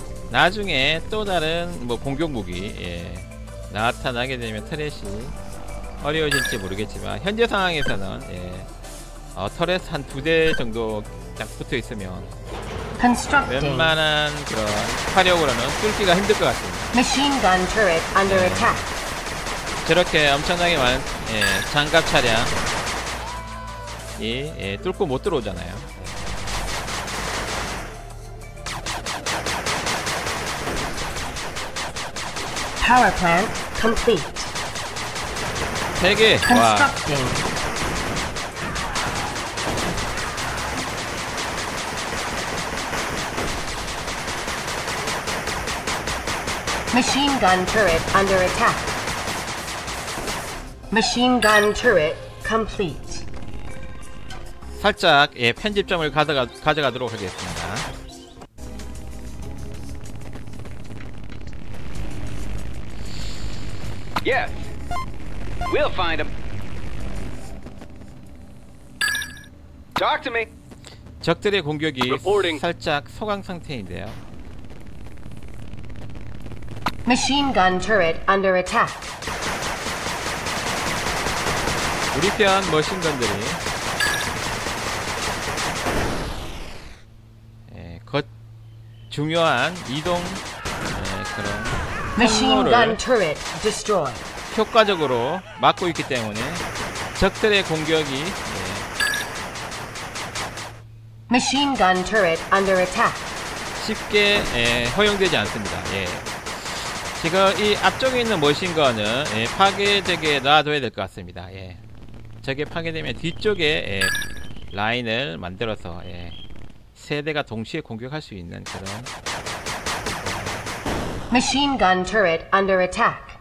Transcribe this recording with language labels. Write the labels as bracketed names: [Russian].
[Korean] 나중에 또 다른 뭐 공격 무기 나타나게 되면 터렛이 어려워질지 모르겠지만 현재 상황에서는 터렛 한 두 대 정도 딱 붙어 있으면 웬만한 그런 화력으로는 뚫기가 힘들 것 같습니다. [English] Machine gun turret under attack. [Korean] 저렇게 엄청나게 많은 장갑 차량이 뚫고 못 들어오잖아요. [English] 파워 플랜트 컴플리트. 세 개. 와. 머신 건 터렛 언더 어택. 머신 건 터렛 컴플리트. [Korean] 살짝 편집점을 가져가도록 하겠습니다. 예. [English] Yeah. We'll find him. Talk to me. [Korean] 적들의 공격이 살짝 소강 상태인데요. [English] Machine gun turret under attack. [Korean] 우리 편 머신건들이 중요한 이동 그런 [English] Machine gun turret destroy. [Korean] 효과적으로 막고 있기 때문에 적들의 공격이 [English] Machine gun turret under attack. [Korean] 쉽게 허용되지 않습니다. 지금 이 앞쪽에 있는 머신건은 파괴되게 놔둬야 될 것 같습니다. 저게 파괴되면 뒤쪽에 라인을 만들어서 세 대가 동시에 공격할 수 있는 그런 [English] Machine gun turret under attack.